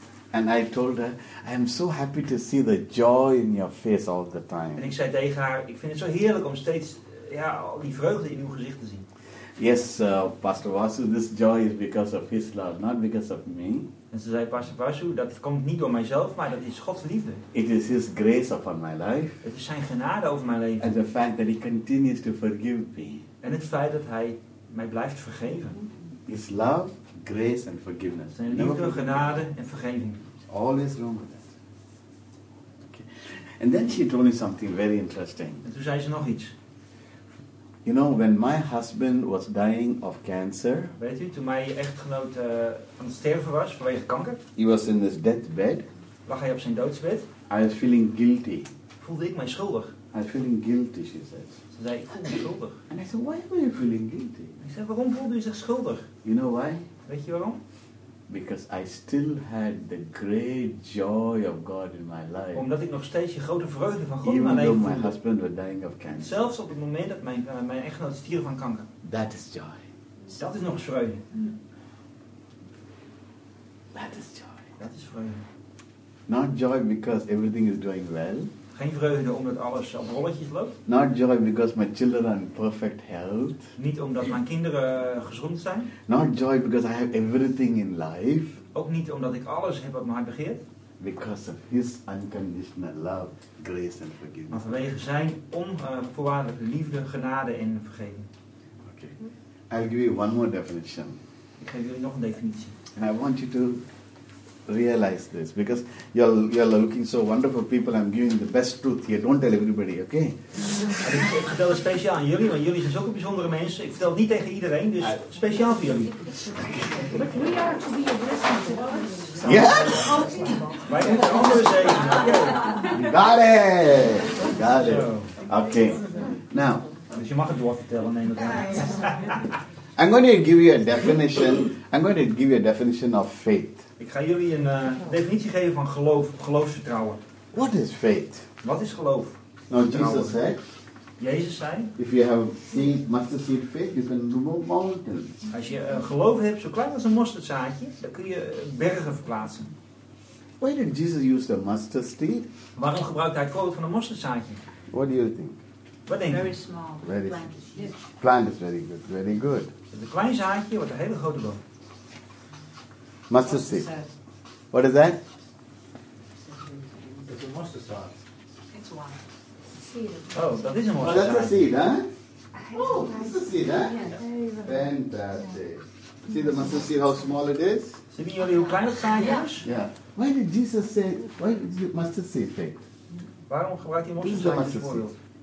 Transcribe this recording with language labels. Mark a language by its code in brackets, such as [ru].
[en] And I told her, I am so happy to see the joy in your face all the time. [nl] En ik zei tegen haar, ik vind het zo heerlijk om steeds ja, al die vreugde in uw gezicht te zien. [en] Yes, Pastor Vasu, this joy is because of his love, not because of me. [nl] En ze zei, Pastor Vasu, dat komt niet door mijzelf, maar dat is Gods liefde. [en] It is his grace upon my life. [nl] Het is zijn genade over mijn leven. [en] And the fact that he continues to forgive me. [nl] En het feit dat hij mij blijft vergeven. [en] His love, grace and forgiveness. [nl] Zijn liefde, genade en vergeving. [en] Always wrong with that. Okay. And then she told me something very interesting. [nl] En toen zei ze nog iets. [en] You know, when my husband was dying of cancer. [nl] Weet u, toen mijn echtgenoot aan het sterven was vanwege kanker. [en] He was in his deathbed. [nl] Lag hij op zijn doodsbed. [en] I was feeling guilty. [nl] Voelde ik mij schuldig. [en] I was feeling guilty, she said. [nl] Ze zei, ik voel me schuldig. [en] And I said, why were you feeling guilty? [nl] Ik zei, waarom voelde u zich schuldig? [en] You know why? [nl] Weet je waarom? [en] Because I still had the great joy of God in my life. [nl] Omdat ik nog steeds de grote vreugde van God [en] even [nl] in mijn leven voelde. [en] My husband was dying of cancer. [nl] Zelfs op het moment dat mijn echtgenoot stierf van kanker. [en] That is joy. [nl] Dat is nog eens vreugde. [en] That is joy. [nl] Dat is vreugde. [en] Not joy because everything is doing well. [nl] Geen vreugde omdat alles op rolletjes loopt. [en] Not joy because my children are in perfect health. [nl] Niet omdat mijn kinderen gezond zijn. [en] Not joy because I have everything in life. [nl] Ook niet omdat ik alles heb wat mij begeert. [en] Because of his unconditional love, grace and forgiveness. [nl] Maar vanwege zijn onvoorwaardelijke liefde, genade en vergeving. [en] Okay. I'll give you one more definition. [nl] Ik geef jullie nog een definitie. [en] And I want you to realize this, because you're looking so wonderful people. I'm giving the best truth here. Don't tell everybody, okay? [nl] Ik vertel het speciaal aan jullie, want jullie zijn zulke bijzondere mensen. Ik vertel het niet tegen iedereen, dus speciaal voor jullie. [en] But we are to be a blessing to others. Yes! [nl] Wij hebben een andere zegen. [en] Got it! Got it. Okay. Now. [nl] Dus je mag het doorvertellen, neem het aan. [en] I'm going to give you a definition. I'm going to give you a definition of faith. [nl] Ik ga jullie een definitie geven van geloof, geloofsvertrouwen. [en] What is faith? [nl] Wat is geloof? [en] Now Jesus said. [nl] Jezus zei. [en] If you have seen mustard seed faith, you can remove mountains. [nl] Als je geloof hebt zo klein als een mosterdzaadje, dan kun je bergen verplaatsen. [en] Why did Jesus use the mustard seed? [nl] Waarom gebruikte hij het voorbeeld van een mosterdzaadje? [en] What do you think? [nl] Wat denk [en] je? Very small. Very small. Yes. Plant is very good. Very good. [nl] Een klein zaadje wordt een hele grote boom. [en] Mustard seed. What is that? It's a mustard seed. It's one. Oh, that is a mustard seed. Oh, that's a seed, huh? Oh, that's a seed, huh? Fantastic. See the mustard seed, how small it is? [nl] Zien jullie hoe klein het zaadje is? [en] Yeah. Why did Jesus say, why did you mustard seed take? [nl] Waarom gebruikt hij [en] mustard seed [nl] als voorbeeld?